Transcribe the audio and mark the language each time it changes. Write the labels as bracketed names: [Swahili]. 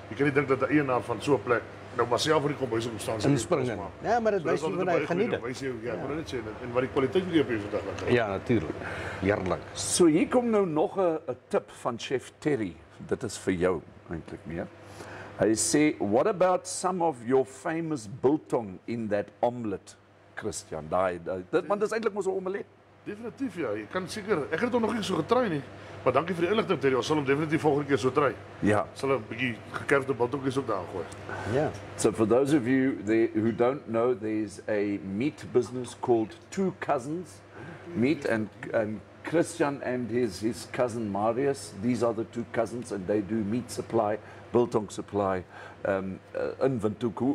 [Afrikaans] Jy kan nie dink dat 'n eienaar van so 'n plek nou maar self vir die kombuis op staan en spring nie. Nee, maar dit wys hoe hy geniet dit. Wys jy, ja, maar net sê en wat die kwaliteit hier op hierdie dag laat. Ja, natuurlik. Heerlik. So hier kom nou nog 'n tip van chef Terry. Dit is vir jou eintlik meer. Hy sê, [English] "What about some of your famous biltong in that omelet, Christiaan?" [Afrikaans] Want dit is eintlik mos 'n omelet. Definitief ja, jy kan seker. Ek het hom nog nie so getry nie. Maar dankie vir die inligting Terry. Ons sal hom definitief volgende keer so try. Ja. Sal 'n bietjie gekerfde biltongies op daar gooi. Ja. [English] So for those of you who don't know, there's a meat business called Two Cousins Meat and Christiaan and his cousin Marius. These are the two cousins and they do meat supply, biltong supply in Windhoek.